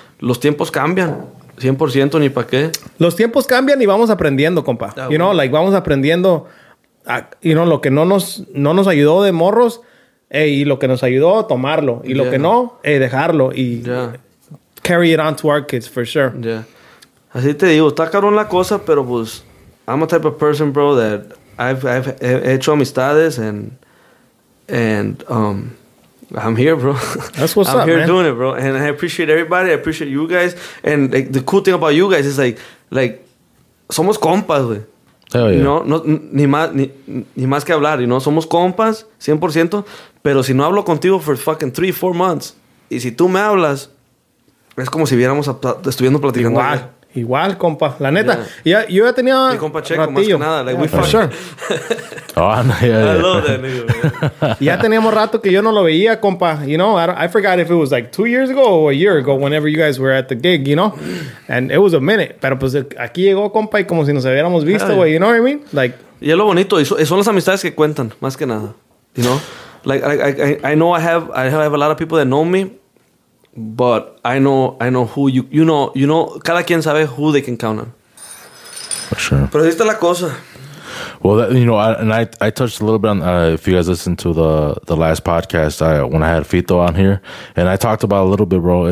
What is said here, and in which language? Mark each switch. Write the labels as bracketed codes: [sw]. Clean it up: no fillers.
[es] Los tiempos cambian. 100% ni pa' qué. Los tiempos cambian y vamos aprendiendo, compa. [en] You know, like, [es] vamos aprendiendo. [en] You know, [es] lo que no nos ayudó de morros... Hey, y lo que nos ayudó, tomarlo. Y lo que no, dejarlo. [en] Y carry it on to our kids, for sure. Yeah. [es] Así te digo, está cabrón la cosa, pero pues... [en] I'm a type of person, bro, that I've [es] hecho amistades [en] and I'm here, bro. That's what's up, man. I'm here doing it, bro. And I appreciate everybody. I appreciate you guys. And like, the cool thing about you guys is like [es] somos compas, güey. [en] Hell yeah. [es] No, no, ni más que hablar, [en] you know? [es] Somos compas, 100%. Pero si no hablo contigo [en] for fucking 3-4 months, [es] y si tú me hablas, es como si viéramos estuviendo platicando. Igual, compa. La neta. Yo ya tenía mi compa Checo, ratillo. Más que nada. Like, we [en] for sure. Oh, no, I love that nigga. [es] Ya teníamos rato que yo no lo veía, compa. [en] You know, I forgot if it was like 2 years ago or a year ago, whenever you guys were at the gig, you know? And it was a minute. [es] Pero pues aquí llegó, compa, y como si nos hubiéramos visto, güey. [en] You know what I mean? [es] Like, y es lo bonito. Y son las amistades que cuentan, más que nada. [en] You know? Like I know I have a lot of people that know me, but I know who you know [es] cada quien sabe [en] who they can count on. For sure. [es] Pero ahí está la cosa. [en] Well, that, you know, I touched a little bit on, if you guys listened to the last podcast, when I had Fito on here, and I talked about a little bit, bro.